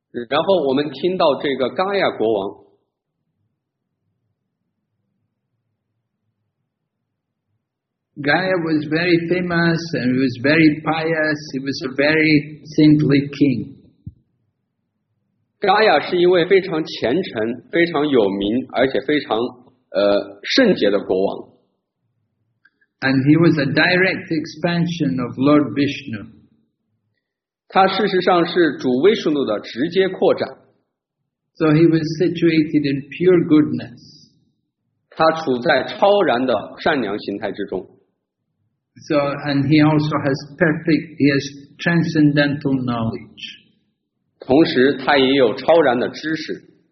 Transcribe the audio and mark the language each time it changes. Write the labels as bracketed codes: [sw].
[zh] 然后我们听到这个 Gaya 国王。 [en] Gaya was very famous and he was very pious. He was a very saintly king. [zh] Gaya 是一位非常虔诚、非常有名，而且非常圣洁的国王。 [en] And he was a direct expansion of Lord Vishnu. [zh] 他事实上是主威士努的直接扩展。 [en] So he was situated in pure goodness. [zh] 他处在超然的善良形态之中。 [en] So, and he also has perfect, he has transcendental knowledge. [zh] 同时他也有超然的知识。